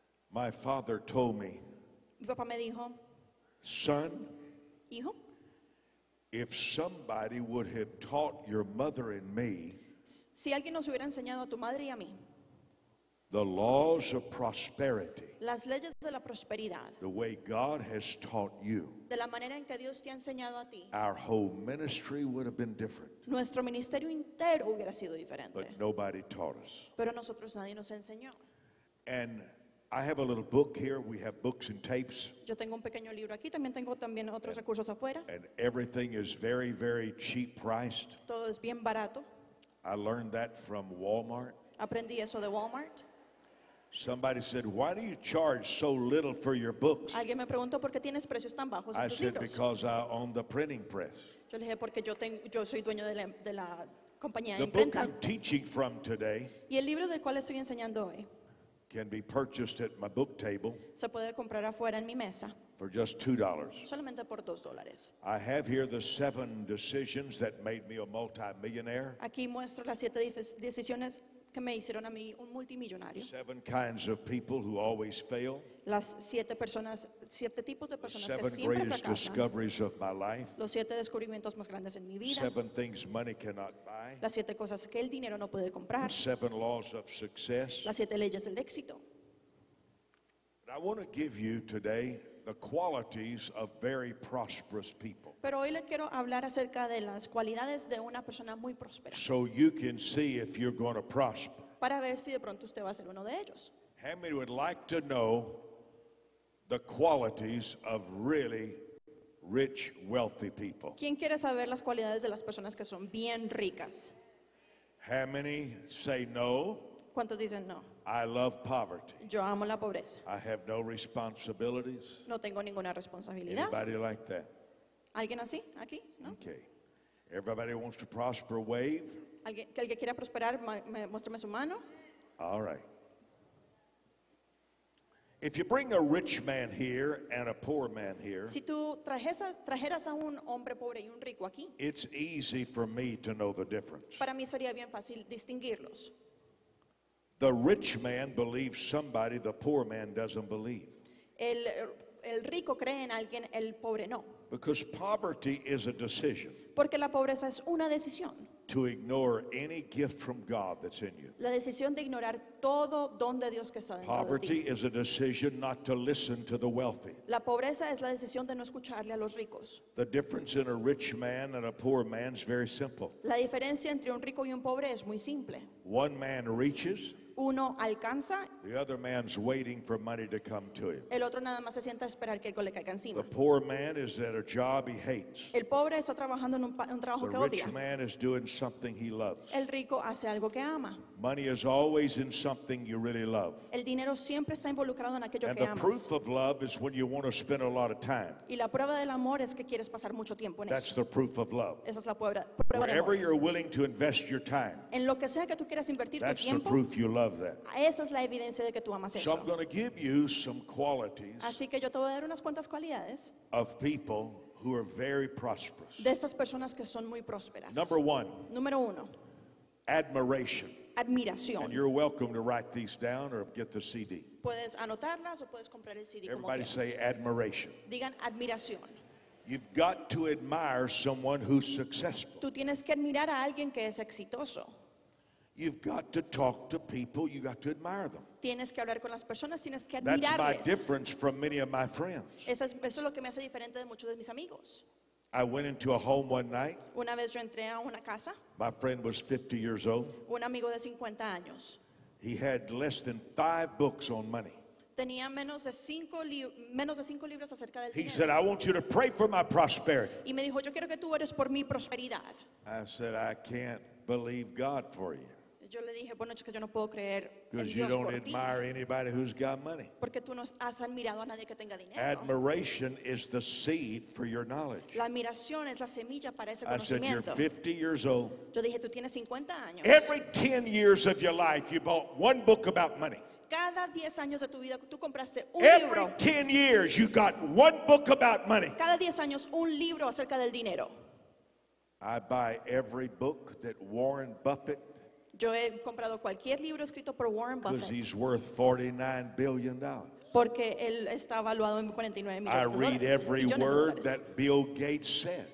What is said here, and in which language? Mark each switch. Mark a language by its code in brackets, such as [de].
[en] My father told me. [es] Mi papá me dijo. [en] Son. [es] Hijo. [en] If somebody would have taught your mother and me. [es] Si alguien nos hubiera enseñado a tu madre y a mí. [en] The laws of prosperity. [es] Las leyes de la prosperidad. [en] The way God has taught you. [es] De la manera en que Dios te ha enseñado a ti. [en] Our whole ministry would have been different. [es] Nuestro ministerio entero hubiera sido diferente. [en] But nobody taught us. [es] Pero nosotros nadie nos enseñó. [en] And I have a little book here. We have books and tapes. [es] Yo tengo un pequeño libro aquí. También tengo también otros recursos afuera. [en] And everything is very, very cheap priced. [es] Todo es bien barato. [en] I learned that from Walmart. [es] Aprendí eso de Walmart. [en] Somebody said, "Why do you charge so little for your books?" [es] Alguien me preguntó por qué tienes precios tan bajos en tus libros. [en] I said, "Because I own the printing press." [es] Yo le dije porque yo tengo, yo soy dueño de la compañía de imprenta. [en] The book I'm teaching from today. [es] Y el libro del cual estoy enseñando hoy. [en] Can be purchased at my book table. [es] Se puede comprar afuera en mi mesa. [en] For just $2. [es] Solamente por $2. [en] I have here the 7 decisions that made me a multimillionaire. [es] Aquí muestro las 7 decisiones. Que me hicieron a mí un multimillonario. [en] 7 kinds of people who always fail. [es] Las 7 personas, 7 tipos de personas que siempre fracasan. [en] 7 greatest discoveries of my life. [es] Los 7 descubrimientos más grandes en mi vida. [en] 7 things money cannot buy. [es] Las 7 cosas que el dinero no puede comprar. [en] 7 laws of success. [es] Las 7 leyes del éxito. [en] But I want to give you today the qualities of very prosperous people. [es] Pero hoy le quiero hablar acerca de las cualidades de una persona muy próspera. [en] So you can see if you're going to prosper. [es] Para ver si de pronto usted va a ser uno de ellos. [en] How many would like to know the qualities of really rich, wealthy people? [es] ¿Quién quiere saber las cualidades de las personas que son bien ricas? [en] How many say no? [es] ¿Cuántos dicen no? [en] I love poverty. [es] Yo amo la pobreza. [en] I have no responsibilities. [es] No tengo ninguna responsabilidad. [en] Anybody like that? [es] ¿Alguien así? ¿Aquí? ¿No? [en] Okay. Everybody wants to prosper, wave. [es] ¿Que alguien quiera prosperar? Muéstrame su mano. [en] All right. If you bring a rich man here and a poor man here, [es] si tú trajeras a un hombre pobre y un rico aquí, [en] it's easy for me to know the difference. [es] Para mí sería bien fácil distinguirlos. [en] The rich man believes somebody the poor man doesn't believe. [es] El rico cree en alguien, el pobre no. [en] Because poverty is a decision. [es] Porque la pobreza es una decisión. [en] To ignore any gift from God that's in you. [es] La decisión de ignorar todo don de Dios que está dentro de ti. [en] Poverty is a decision not to listen to the wealthy. [es] La pobreza es la decisión de no escucharle a los ricos. [en] The difference in a rich man and a poor man is very simple. [es] La diferencia entre un rico y un pobre es muy simple. [en] One man reaches. [es] Uno alcanza. [en] The other man's waiting for money to come to him. [es] El otro nada más se sienta a esperar que algo le caiga encima. [en] The poor man is at a job he hates. [es] El pobre está trabajando en un trabajo que odia. [en] The rich man is doing something he loves. [es] El rico hace algo que ama. [en] Money is always in something you really love. [es] El dinero siempre está involucrado en aquello que amas. [en] And the proof of love is when you want to spend a lot of time. [es] Y la prueba del amor es que quieres pasar mucho tiempo en eso. [en] That's the proof of love. [es] Esa es la prueba del amor. [en] Wherever you're willing to invest your time. [es] En lo que sea que tú quieras invertir tu tiempo. [en] That's the proof you love that. [es] Esa es la evidencia de que tú amas eso. [en] So I'm going to give you some qualities. [es] Así que yo te voy a dar unas cuantas cualidades. [en] Of people who are very prosperous. [es] De esas personas que son muy prósperas. [en] Number one. [es] Número uno. [en] Admiration. [es] Admiración. [en] And you're welcome to write these down or get the CD. [es] Puedes anotarlas o puedes comprar el CD. [en] Everybody [es] como [en] say admiration. [es] Digan admiración. [en] You've got to admire someone who's successful. [es] Tú tienes que admirar a alguien que es exitoso. [en] You've got to talk to people. You've got to admire them. [es] Tienes que hablar con las personas. Tienes que admirarles. [en] That's my difference from many of my friends. [es] Eso es lo que me hace diferente de muchos de mis amigos. [en] I went into a home one night. [es] Una vez yo entré a una casa. [en] My friend was 50 years old. [es] Un amigo de 50 años. [en] He had less than 5 books on money. [es] Tenía menos de 5 libros acerca del dinero. [en] He said, "I want you to pray for my prosperity." [es] Y me dijo, "Yo quiero que tú ores por mi prosperidad." [en] I said, "I can't believe God for you." [es] Yo le dije, "Bueno, es que yo no puedo creer en Dios por ti." [en] Because you don't admire anybody who's got money. [es] Porque tú no has admirado a nadie que tenga dinero. [en] Admiration is the seed for your knowledge. [es] La admiración es la semilla para ese conocimiento. [en] I said, "You're 50 years old." [es] Yo dije, "Tú tienes 50 años." [en] Every 10 years of your life, you bought one book about money. [es] Cada 10 años de tu vida tú compraste un [en] Every [es] libro. [en] Every 10 years you got one book about money. [es] Cada 10 años un libro acerca del dinero. [en] I buy every book that Warren Buffett. [es] Yo he comprado cualquier libro escrito por Warren Buffett. [en] Because he's worth $49 billion. [es] Porque él está evaluado en 49 millones de dólares. [en] I read every word that Bill Gates says.